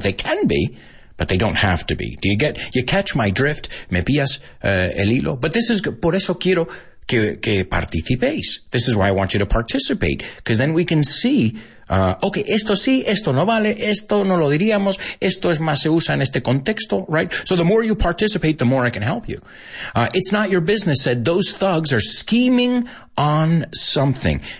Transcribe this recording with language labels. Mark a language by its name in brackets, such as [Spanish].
[English] They can be, but they don't have to be. Do you get? You catch my drift? [Spanish] ¿Me pillas el hilo? [English] But this is [Spanish] por eso quiero que participéis. [English] This is why I want you to participate, because then we can see. [Spanish] Okay, esto sí, esto no vale, esto no lo diríamos, esto es más se usa en este contexto, right? [English] So the more you participate, the more I can help you. It's not your business, said those thugs are scheming on something.